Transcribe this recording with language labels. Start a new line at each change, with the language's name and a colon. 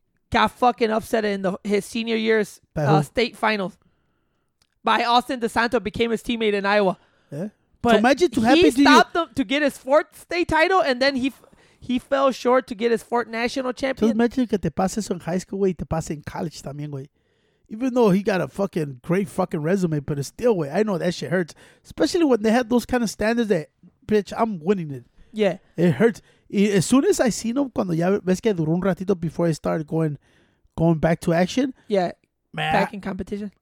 English: Got fucking upset in his senior year's state finals by Austin DeSanto, became his teammate in Iowa. Yeah. But so imagine to happen to you. He stopped him to get his fourth state title, and then he fell short to get his fourth national championship. So imagine
Spanish: que te pases en high school, güey, te pases en college también, güey.
English: Even though he got a fucking great fucking resume, but it's still, güey, I know that shit hurts. Especially when they have those kind of standards that, bitch, I'm winning it. Yeah. It hurts. As soon as I seen him,
Spanish: cuando ya ves que duró un ratito
English: before he started going back to action. Yeah, man, back in competition.